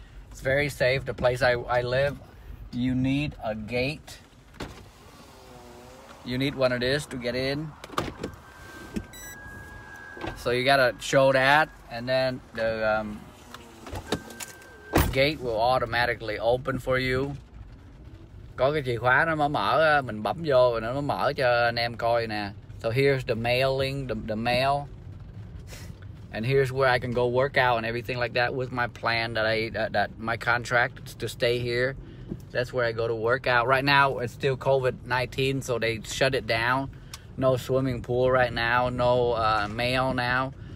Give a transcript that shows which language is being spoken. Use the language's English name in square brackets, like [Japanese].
[English] It's very safe. The place I live, you need a gate. You need one of these to get in. So you gotta show that, and then the gate will automatically open for you. [Vietnamese] Có cái chìa khóa nó mới mở, mình bấm vô rồi nó mới mở cho anh em coi nè. [English] So here's the mailing, the mail. And here's where I can go work out and everything like that with my plan that I, that my contract to stay here. That's where I go to work out. Right now it's still COVID-19, so they shut it down. No swimming pool right now, no mail now.